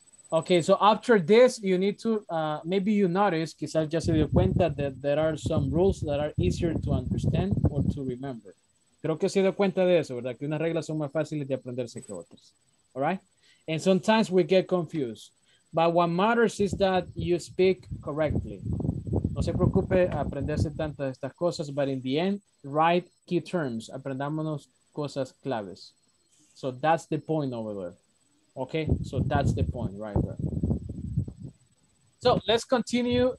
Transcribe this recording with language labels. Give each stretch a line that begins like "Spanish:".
English: Ok, so after this, you need to, maybe you notice,
Spanish: quizás ya se dio cuenta
English: that there are some rules that are easier to understand or to remember.
Spanish: Creo que se dio cuenta de eso, ¿verdad? Que unas reglas son más fáciles de aprenderse que otras.
English: All right? And sometimes we get confused. But what matters is that you speak correctly.
Spanish: No se preocupe aprenderse tantas de estas cosas,
English: but in the end, write key terms.
Spanish: Aprendámonos cosas claves.
English: So that's the point over there. Okay? So that's the point right there. So let's continue.